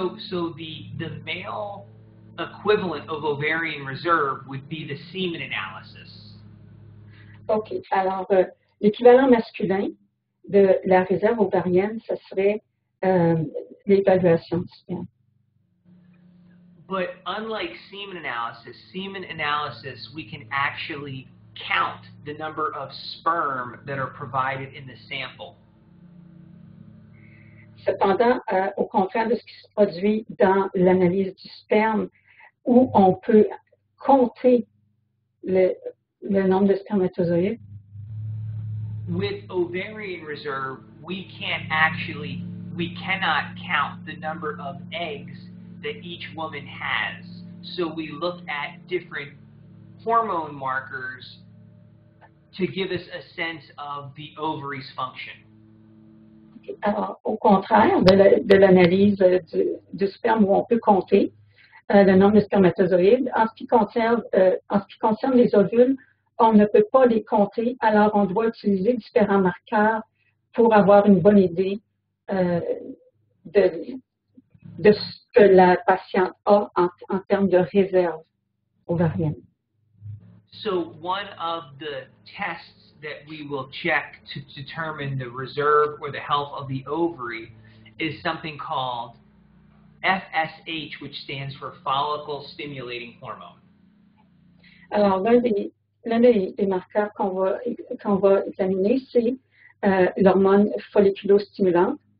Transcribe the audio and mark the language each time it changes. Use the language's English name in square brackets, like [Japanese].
[English] So the male equivalent of ovarian reserve would be the semen analysis. Okay. [French] Alors l'équivalent masculin de la réserve ovarienne ce serait l'évaluation du sperme. [English] But unlike semen analysis, we can actually count the number of sperm that are provided in the sample. [French] Cependant, au contraire de ce qui se produit dans l'analyse du sperme, où on peut compter le nombre de spermatozoïdes. [English] With ovarian reserve, we cannot count the number of eggs that each woman has. So we look at different hormone markers to give us a sense of the ovary's function. [French] Alors, au contraire de l'analyse du sperme où on peut compter le nombre de spermatozoïdes, en ce qui concerne les ovules, on ne peut pas les compter, alors on doit utiliser différents marqueurs pour avoir une bonne idée de ce que la patiente a en termes de réserve ovarienne. [English] So one of the tests that we will check to determine the reserve or the health of the ovary is something called FSH, which stands for follicle stimulating hormone. [French] Alors l'un des marqueurs qu'on va examiner c'est l'hormone folliculostimulante.